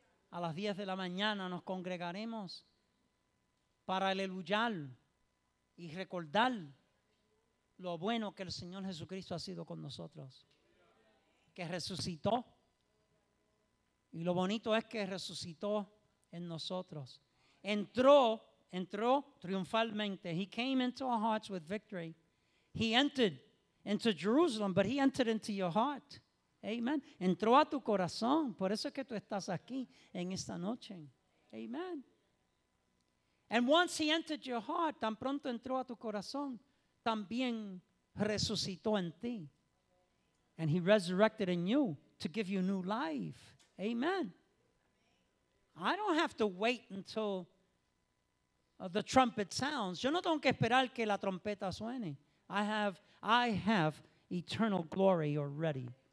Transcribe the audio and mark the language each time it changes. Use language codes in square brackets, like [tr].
[es] A las 10 de la mañana nos congregaremos para aleluyar y recordar lo bueno que el Señor Jesucristo ha sido con nosotros, que resucitó. Y lo bonito es que resucitó en nosotros. Entró triunfalmente. [en] He came into our hearts with victory. He entered into Jerusalem, but He entered into your heart. [es] Amen. Entró a tu corazón. Por eso es que tú estás aquí en esta noche. Amen. [en] And once He entered your heart, [es] tan pronto entró a tu corazón, también resucitó en ti. [en] And He resurrected in you to give you new life. Amen. I don't have to wait until the trumpet sounds. [es] Yo no tengo que esperar que la trompeta suene. [en] I have eternal glory already.